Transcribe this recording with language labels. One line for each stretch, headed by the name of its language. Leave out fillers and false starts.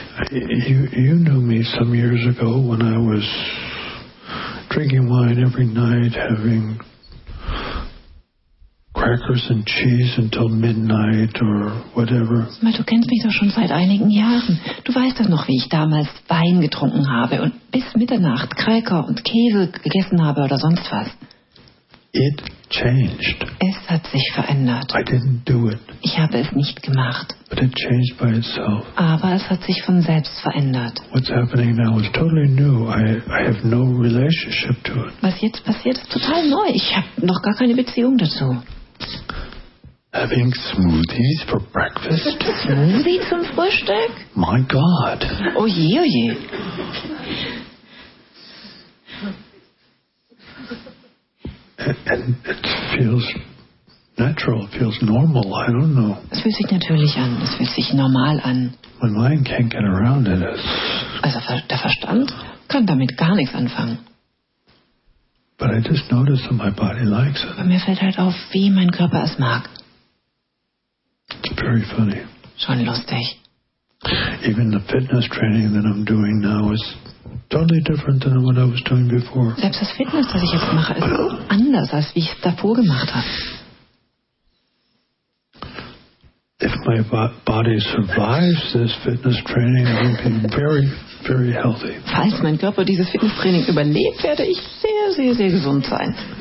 English: You knew me some years ago when I was drinking wine every night, having crackers and cheese until midnight or whatever.
German: Du kennst mich doch schon seit einigen Jahren. Du weißt doch noch, wie ich damals Wein getrunken habe und bis Mitternacht Cracker und Käse gegessen habe oder sonst was.
English: It changed.
German: Es hat sich verändert.
English: I didn't do it.
German: Ich habe es nicht gemacht.
English: But it changed by itself.
German: Aber es hat sich von selbst verändert.
English: What's happening now is totally new. I have no relationship to it.
German: Was jetzt passiert, ist total neu. Ich habe noch gar keine Beziehung dazu.
English: Having smoothies for breakfast?
German: Smoothie zum Frühstück?
English: My God.
German: Oje, oje.
English: And it feels natural, it feels normal, I don't know.
German: Es fühlt sich natürlich an, es fühlt sich normal an.
English: My mind can't get around it.
German: Also der Verstand kann damit gar nichts anfangen.
English: But I just notice that my body likes it.
German: Aber mir fällt halt auf, wie mein Körper es mag.
English: It's very funny.
German: Schon lustig.
English: Even the fitness training that I'm doing now is totally different than what I was doing before.
German: Selbst das Fitness, das ich jetzt mache, ist anders, als wie ich es davor gemacht habe.
English: If my body survives this fitness training, I will be very, very healthy.
German: Falls mein Körper dieses Fitnesstraining überlebt, werde ich sehr, sehr, sehr gesund sein.